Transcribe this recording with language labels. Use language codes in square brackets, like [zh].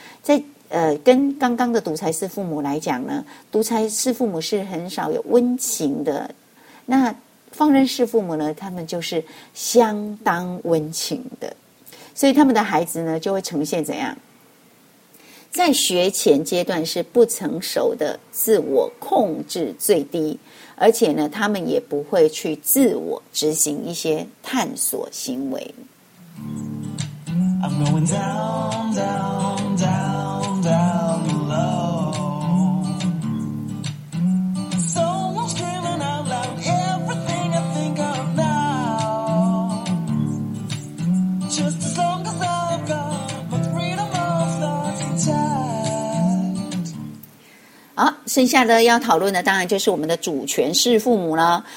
[zh] 在跟刚刚的独裁式父母来讲呢，独裁式父母是很少有温情的，那放任式父母呢，他们就是相当温情的，所以他们的孩子呢就会呈现怎样，在学前阶段是不成熟的，自我控制最低，而且呢他们也不会去自我执行一些探索行为。 [en] I'm going down, down, down, down below. Someone screaming out loud everything I think of now. Just as long as I've got my freedom of thought intact. [zh] 好，剩下的要讨论的当然就是我们的主权式父母了。